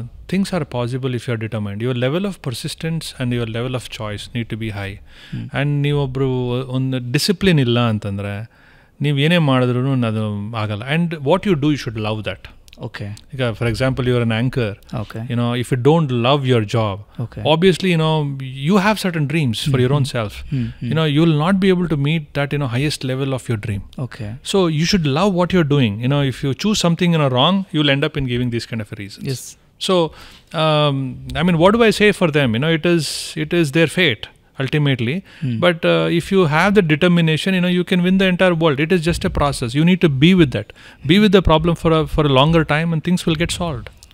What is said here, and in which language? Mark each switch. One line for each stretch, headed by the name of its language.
English: Things are possible if you are determined. Your level of persistence and your level of choice need to be high.
Kannada: And ನೀವು ಒಬ್ಬರು ಒಂದು discipline ಇಲ್ಲ ಅಂತಂದರೆ ನೀವು ಏನೇ ಮಾಡಿದ್ರು ಅದು ಆಗಲ್ಲ.
English: And what you do you should love that. Okay, ಈಗ for example you are an anchor. Okay, you know if you don't love your job, okay, obviously you know you have certain dreams for your own self. You know you will not be able to meet that you know highest level of your dream. Okay, so you should love what you are doing. You know if you choose something in a wrong, you will end up in giving this kind of reason. Yes, so I mean what do I say for them, you know it is their fate ultimately. But if you have the determination, you know, you can win the entire world. It is just a process. You need to be with that. Be with the problem for a longer time and things will get solved.